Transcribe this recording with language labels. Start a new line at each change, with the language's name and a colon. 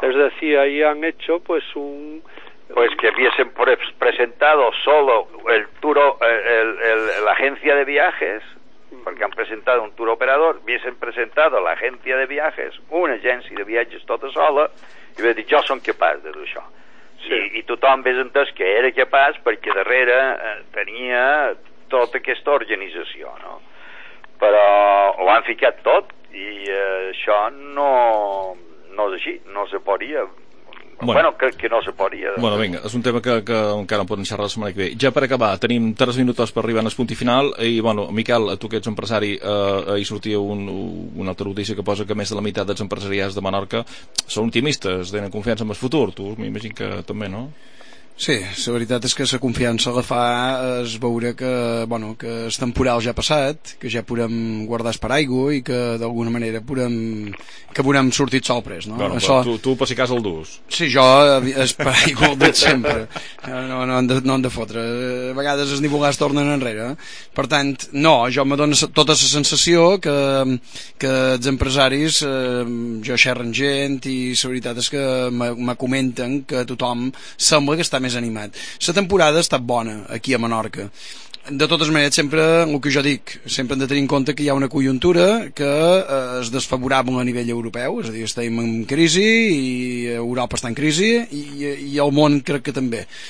Spanish: es decir, ahí han hecho pues un... Pues que hubiesen presentado solo el tour, la agencia de viajes, porque han presentado un tour operador, hubiesen presentado la agencia de viajes, una agencia de viajes toda sola, y hubiese dicho, yo soy capaz de hacer eso. Sí.
Catalan: I tothom ve entès que era capaç perquè darrere tenia tota aquesta organització, no? Però ho han ficat tot i això no és així, no se podia. Bueno, crec que no se podia. Bueno, vinga, és un tema que encara no podem xerrar la setmana que ve. Ja per acabar, tenim 3 minuts per arribar a punt i final i, bueno, Miquel, tu que ets empresari, hi sortia una altra notícia que posa que més de la meitat dels empresariats de Menorca són optimistes, tenen confiança en el futur. Tu m'imagino que també, no? Sí, la veritat és que la confiança la fa es veure que, bueno, que el temporal ja ha passat, que ja podem guardar el paraigua i que d'alguna manera podem, que veurem sortit sorprès, no? Bueno, això... tu per si cas el dus. Sí, jo el paraigua el dic sempre. No hem de fotre. A vegades els nivolars tornen enrere. Per tant, no, jo em dono tota la sensació que els empresaris, jo xerren gent i la veritat és que me comenten que tothom sembla que està més animat. La temporada ha estat bona aquí a Menorca. De totes maneres, sempre, el que jo dic, sempre hem de tenir en compte que hi ha una conjuntura que és desfavorable a nivell europeu, és a dir, estem en crisi i Europa està en crisi i el món crec que també.